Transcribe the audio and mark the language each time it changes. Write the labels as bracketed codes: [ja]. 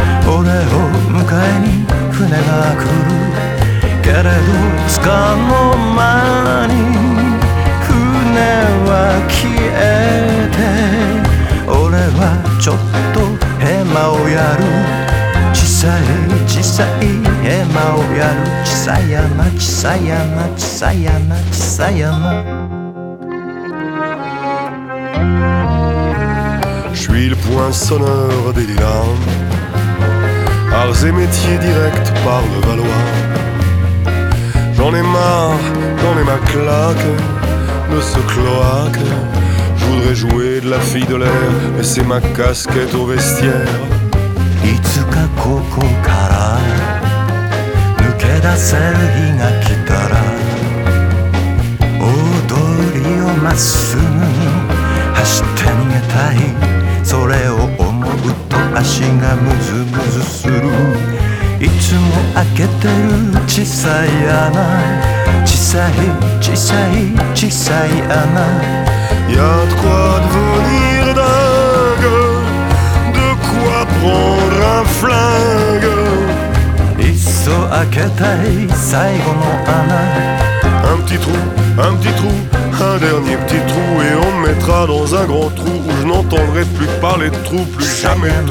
[ja] 俺を迎えに船が来る。けれど束の間に船は消えて、俺はちょっとヘマをやる。小さい小さいヘマをやる。小さい山、小さい山、小さい山、小さい山。 [fr] Je suis le poinçonneur des lilas, arts et métiers directs par le Valois. J'en ai ma claque de ce cloaque. Je voudrais jouer de la fille de l'air, laisser ma casquette au vestiaire. [ja] Itsuka koko kara nuke daseru hi ga kitara, odori o masumu ni hashitte nigetai. それを思うと足がムズムズする。いつも開けてる小さい穴、小さい小さい小さい穴。 [fr] Y'a de quoi devenir dingue, de quoi prendre un flingue. [ja] いっそ開けたい最後の穴。 [fr] Un petit trou, un petit trou, un dernier petit trou, et on me mettra dans un grand trou où je n'entendrai plus parler de trou, plus jamais.